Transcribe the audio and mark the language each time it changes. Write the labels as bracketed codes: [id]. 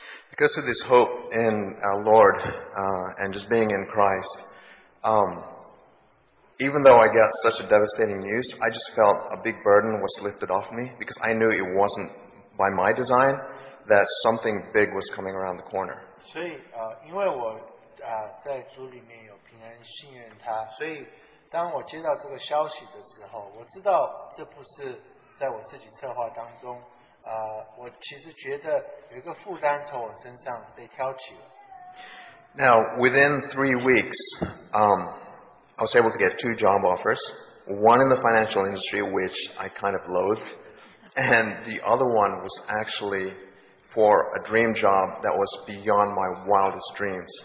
[en] Because of this hope in our Lord and just being in Christ, even though I got such a devastating news, I just felt a big burden was lifted off me because I knew it wasn't by my design that something big was coming around the corner. [zh] 所以因为我在主里面有平安信任他，所以当我接到这个消息的时候，我知道这不是在我自己策划当中。 [en] Now, within 3 weeks, I was able to get 2 job offers, one in the financial industry, which I kind of loathed, and the other one was actually for a dream job that was beyond my wildest dreams.